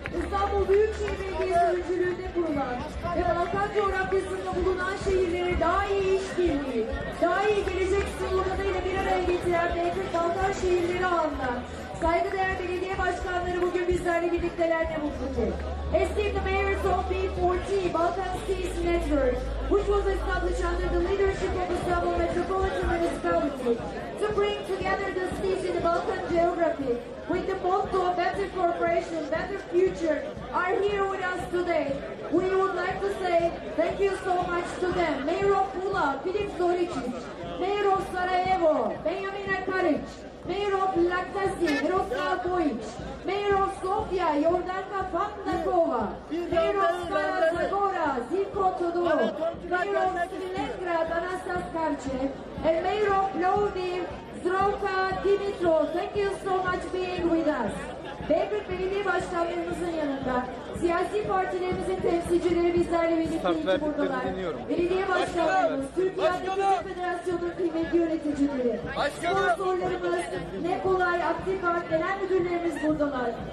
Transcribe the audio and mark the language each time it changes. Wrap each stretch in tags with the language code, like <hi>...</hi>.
<tr>İstanbul Büyükşehir Belediyesi'nin öncülüğünde kurulan ve Balkan coğrafyasında bulunan şehirleri daha iyi iş birliği, daha iyi gelecek sorumluluğuyla bir araya getiren DYP Balkan şehirleri ağında saygıdeğer belediye başkanları bugün bizlerle birlikteler, ne mutlu ki.</tr> <en>Esteemed the mayors of B40 Balkan Cities Network, which was established under the leadership of Istanbul Metropolitan Municipality to bring together the cities in the Balkan geography with the motto of better cooperation, better future, are here with us today. We would like to say thank you so much to them. Mayor of Pula, Filip Zoricic. Mayor of Sarajevo, Benjamin Akaric. Mayor of Laktasi, Miroslav Boic. Mayor of Sofia, Jordanka Fatnakova. Mayor of Skara Zagora, Zivko Todoro. Mayor of Svilengrad, Anastas Karche. And Mayor of Lviv, Zdravka Dimitro. Thank you so much for being with us.</en> <tr>Devlet Belediye Başkanlarımızın yanında siyasi partilerimizin temsilcileri bizlerle birlikte iki buradalar. Belediye Başkanlarımız, Türkiye Atletizm Federasyonu'nun kıymetli yöneticileri, sponsorlarımız, Nekolay, Aktif Art, Genel Müdürlerimiz buradalar.</tr>